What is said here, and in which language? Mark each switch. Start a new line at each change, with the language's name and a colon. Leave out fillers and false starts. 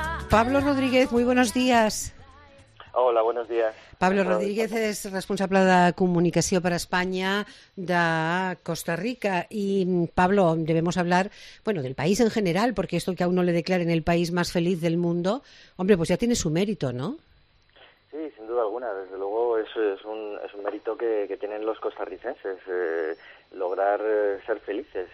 Spanish: Pablo Rodríguez, muy buenos días. Hola, buenos días.
Catalan: Pablo Rodríguez és responsable de comunicació per a Espanya de Costa Rica.
Spanish: I, Pablo, debemos hablar, bueno, del país en general, porque esto que a uno le declaren el país más feliz del mundo, hombre, pues ya tiene su mérito, ¿no? Sí, sin duda alguna. Desde luego es un mérito que tienen los costarricenses, lograr ser felices.